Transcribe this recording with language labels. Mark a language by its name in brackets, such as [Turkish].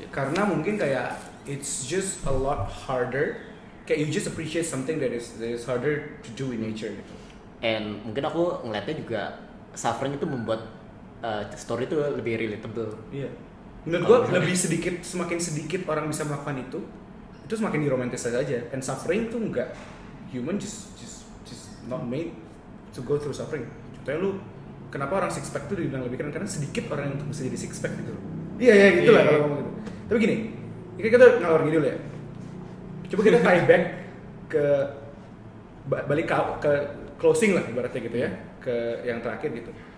[Indonesian] Karena mungkin kayak [English] it's just a lot harder, [Indonesian] kayak [English] you just appreciate something that is harder to do in nature gitu. [Indonesian] And mungkin aku ngeliatnya juga suffering itu membuat story itu lebih relatable. Menurut gue lebih sedikit, semakin sedikit orang bisa melakukan itu, itu semakin diromantisasi aja. [English] And suffering [Indonesian] tuh enggak, [English] human just not made to go through suffering. [Indonesian] Contohnya lu, kenapa orang six pack tuh dibilang lebih keren? Karena sedikit orang yang bisa jadi six pack gitu. Iya, gitu lah kalau ngomong gitu. Tapi gini, ini kita ngalor ngidul ya. Coba kita [English] tie back [Indonesian] ke balik ke closing lah ibaratnya gitu ya, ke yang terakhir gitu.